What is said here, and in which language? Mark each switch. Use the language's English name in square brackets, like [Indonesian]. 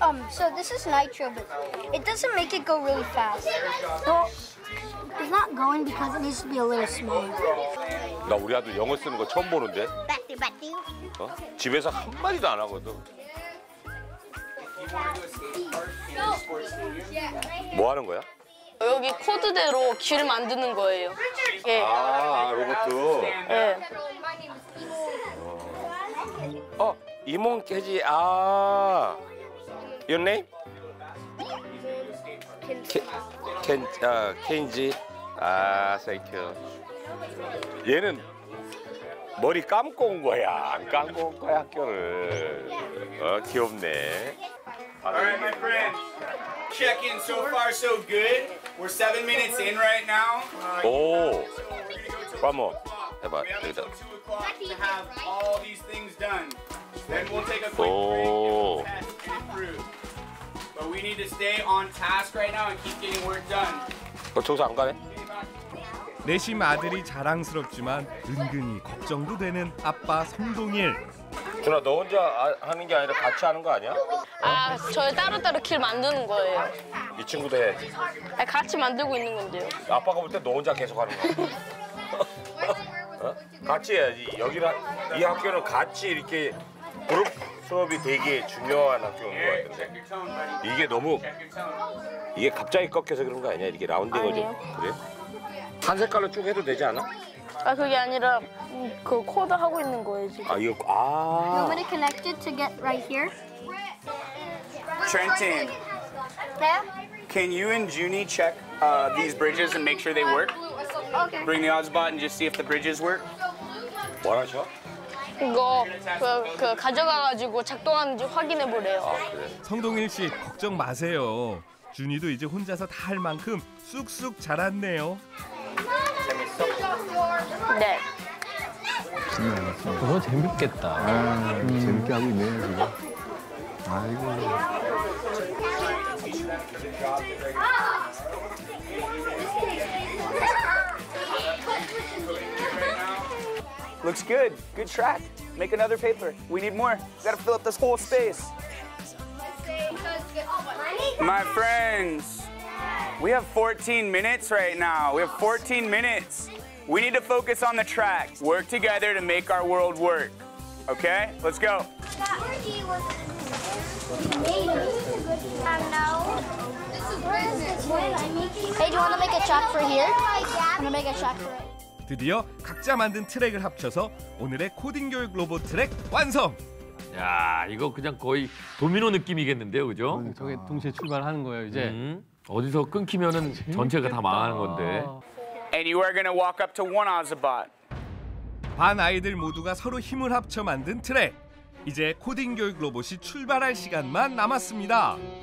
[English] So this is nitro, but it doesn't make it go really fast. Well, it's not going because it needs to be a little small. [Korean] 나 우리 아들 영어 쓰는 거 처음 보는데. 어? 집에서 한 마디도 안 하거든. 뭐 하는 거야? 여기 코드대로 귀를 만드는 거예요. 예. 아, 로봇도. 예. 어, 이몽캐지. 아. [English] Your name? Kenji. [Korean] 아, Kenji. 아, [English] thank you. [Korean] 얘는 머리 감고 온 거야. 안 감고 온 거야, 학교를. 어, 귀엽네. [English] All right, my friends. Check in so far, so good. We're 7 minutes in right now. Oh, one more. How about we have 2 o'clock to have all these things done. Then we'll take a quick break and we'll test and improve. But we need to stay on task right now and keep getting work done. [Korean] 너 조사 안 가네? 내심 아들이 자랑스럽지만 은근히 걱정도 되는 아빠 성동일. 준아, 너 혼자 하는 게 아니라 같이 하는 거 아니야? 아, 저희 따로따로 길 만드는 거예요. 이 친구도 해. 아, 같이 만들고 있는 건데요. 아빠가 볼 때 너 혼자 계속 하는 거야. 어? 같이 해야지. 여기랑 이 학교는 같이 이렇게 그룹 수업이 되게 중요한 학교인 것 같은데. 이게 너무 이게 갑자기 꺾여서 그런 거 아니야? 이렇게 라운딩을 좀 그래? 한 색깔로 쭉 해도 되지 않아? 아 그게 아니라 그 코드 하고 있는 거예요 지금. 아 이거 아. [English] You want to connect it to get right here? Trenton. Yeah. Can you and Junie check these bridges and make sure they work? Okay. Bring the Ozbot and just see if the bridges work. [Korean] 뭐라죠? 이거 그 가져가가지고 작동하는지 확인해 보래요. 아 그래. 성동일 씨 걱정 마세요. 준이도 이제 혼자서 다 할 만큼 쑥쑥 자랐네요. 네. 너 재밌겠다. 아, 재밌게 하고 있네요, 지금. 아이고. [English] Looks good. Good track. Make another paper. We need more. We gotta fill up this whole space. My friends, we have 14 minutes right now. We have 14 minutes. We need to focus on the track. Work together to make our world work. Okay? Let's go. Hey, do you want to make a track for here? I'm gonna make a track for it. [Korean] 드디어 각자 만든 트랙을 합쳐서 오늘의 코딩 교육 로봇 트랙 완성! 야, 이거 그냥 거의 도미노 느낌이겠는데요, 그죠? 그러니까. 저게 동시에 출발하는 거예요, 이제. 어디서 끊기면은 전체가 다 망하는 건데. [English] And you are gonna walk up to one Ozobot. [Korean] 반 아이들 모두가 서로 힘을 합쳐 만든 트랙. 이제 코딩 교육 로봇이 출발할 시간만 남았습니다.